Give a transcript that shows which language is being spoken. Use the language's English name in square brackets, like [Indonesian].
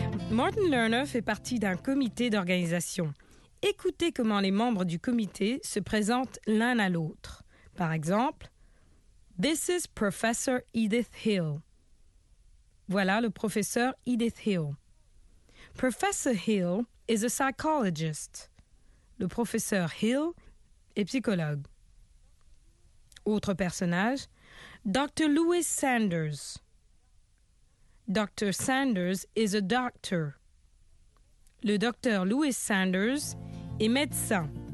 [French] Martin Lerner fait partie d'un comité d'organisation. Écoutez comment les membres du comité se présentent l'un à l'autre. Par exemple, [English] This is Professor Edith Hill. [French] Voilà le professeur Edith Hill. [English] Professor Hill is a psychologist. [French] Le professeur Hill est psychologue. Autre personnage, Dr. Louis Sanders. Dr. [English] Sanders is a doctor. [French] Le docteur Louis Sanders est médecin.